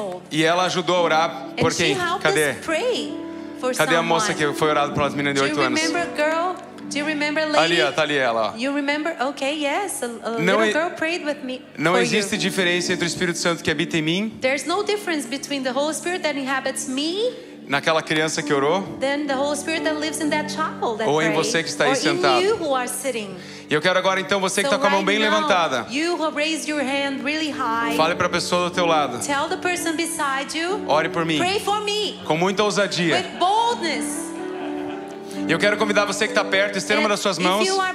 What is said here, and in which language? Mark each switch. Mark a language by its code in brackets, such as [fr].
[pt] E ela ajudou a orar por quem? Cadê? Cadê a moça que foi orada pelas meninas de 8 anos? [en] Do you remember a lady? [pt] Ali, tá ali ela. [en] You remember? Okay, yes. A little girl prayed with me. [pt] Não existe diferença entre o Espírito Santo que habita em mim. [en] There's no difference between the Holy Spirit that inhabits me. [pt] Naquela criança que orou. [en] Then the Holy Spirit that lives in that child that [pt] ou em você que está aí sentado. [en] Or in you who are sitting. [pt] E eu quero agora então você que está com a mão bem levantada. [en] You have raised your hand really high. [pt] Fale para a pessoa do teu lado. [en] Tell the person beside you. [pt] Ore por mim. [en] Pray for me. [pt] Com muita ousadia. [en] With boldness. [pt] E eu quero convidar você que está perto, estenda uma das suas mãos.